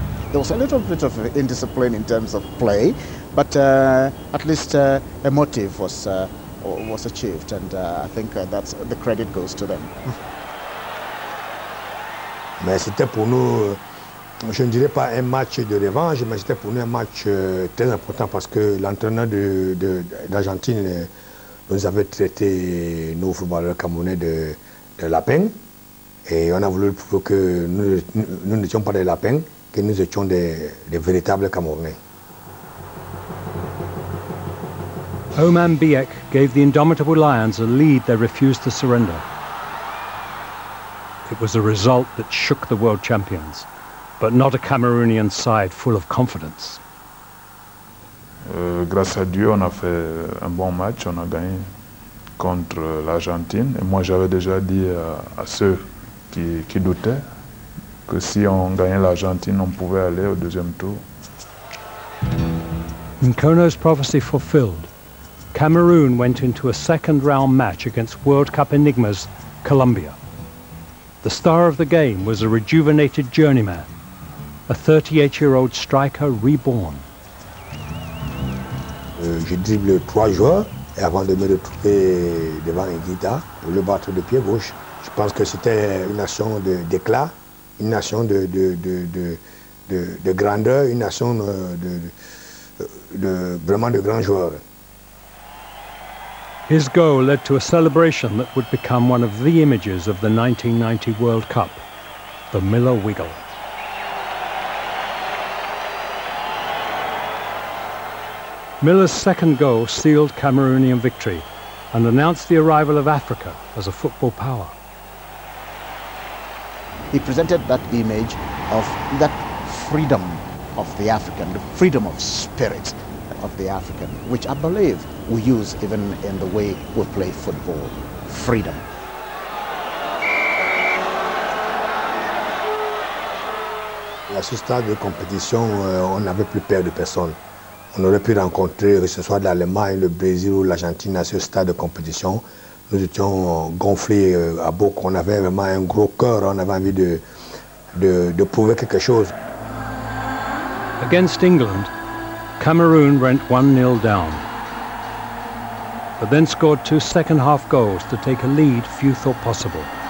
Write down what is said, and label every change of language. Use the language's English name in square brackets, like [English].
[English] There was a little bit of indiscipline in terms of play, but at least a motive was achieved, and I think that's the credit goes to them. [French] Mais c'était pour nous, je ne dirais pas un match de revanche, mais c'était pour nous un match très important parce que l'entraîneur d'Argentine nous avait traité nos footballeurs camerounais de lapins, et on a voulu prouver que nous n'étions pas des lapins. Que nous étions des véritables Camerounais. [English] Oman Biek gave the indomitable Lions a lead they refused to surrender. It was a result that shook the world champions, but not a Cameroonian side full of confidence. [French] Grâce à Dieu, on a fait un bon match, on a gagné contre l'Argentine. Et moi, j'avais déjà dit à ceux qui doutaient que si on gagnait l'Argentine, on pouvait aller au deuxième tour. [English] Nkono's prophecy fulfilled. Cameroon went into a second round match against World Cup enigmas, Colombia. The star of the game was a rejuvenated journeyman, a 38-year-old striker reborn. [French] Je dribble trois joueurs et avant de me retrouver devant un guitar pour le battre de pied gauche, je pense que c'était une action d'éclat. Une nation de grandeur, une nation de vraiment de grands joueurs. [English] His goal led to a celebration that would become one of the images of the 1990 World Cup, the Miller Wiggle. Miller's second goal sealed Cameroonian victory and announced the arrival of Africa as a football power. He presented that image of that freedom of the African, the freedom of spirit of the African, which I believe we use even in the way we play football, freedom. [French] À ce stade de compétition, on n'avait plus peur de personne. On aurait pu rencontrer, que ce soit l'Allemagne, le Brésil ou l'Argentine, à ce stade de compétition. Nous étions gonflés à bout, on avait vraiment un gros cœur, on avait envie de prouver quelque chose. [English] Against England, Cameroon went 1-0 down, but then scored two second-half goals to take a lead few thought possible.